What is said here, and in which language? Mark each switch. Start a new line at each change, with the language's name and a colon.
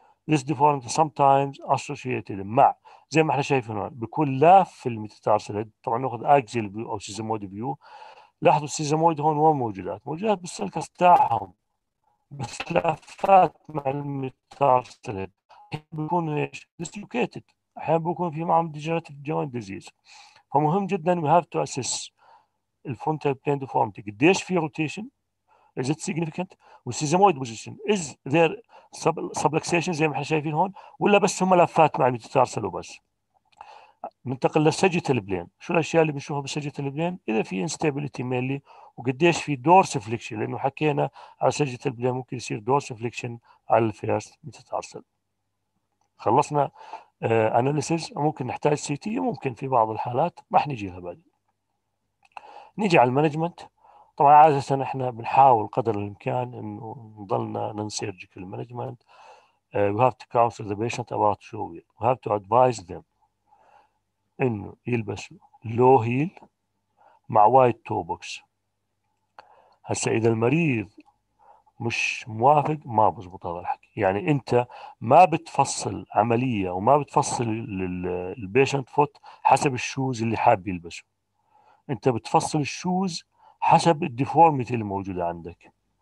English: this deformity sometimes associated
Arabic: مع زي ما احنا شايفين هون بكون لاف في الميتاتارسل. طبعا ناخذ اكسل فيو او سيزمويد فيو. لاحظوا السيزمويد هون وين موجودات؟ موجودات بالسلكس تاعهم بس لافات مع الميتاتارسل. بيكون ايش ديسلوكيتد احيانا بيكون في معهم ديجنراتيف جوينت ديزيز. فمهم جداً
English: we have to assess the frontal plane deformity.
Arabic: قديش في rotation?
English: Is it significant?
Arabic: والسيزمويد position.
English: Is there subluxation
Arabic: زي ما احنا شايفين هون؟ ولا بس هم لفات مع الميتاتارسل وبس؟ ننتقل للساجيتال بلين. شو الأشياء اللي بنشوفها بالساجيتال بلين؟ إذا في
English: instability mainly
Arabic: وقديش في dorsiflexion لأنه حكينا على ساجيتال بلين ممكن يصير dorsiflexion على الفيرست ميتاتارسل. خلصنا analysis. ممكن نحتاج CT ممكن في بعض الحالات ما حنجيها بعد. نيجي على المانجمنت. طبعا عادة احنا بنحاول قدر الامكان انه نضلنا ننسيرجك المانجمنت.
English: We have to counsel the patient about shoe. We have to advise them
Arabic: انه يلبس
English: low heel مع white toe box.
Arabic: هسا اذا المريض مش موافق ما بزبط هذا الحكي. يعني انت ما بتفصل عملية وما بتفصل البيشنت فوت حسب الشوز اللي حاب يلبسه. انت بتفصل الشوز حسب الديفورميتي الموجودة عندك.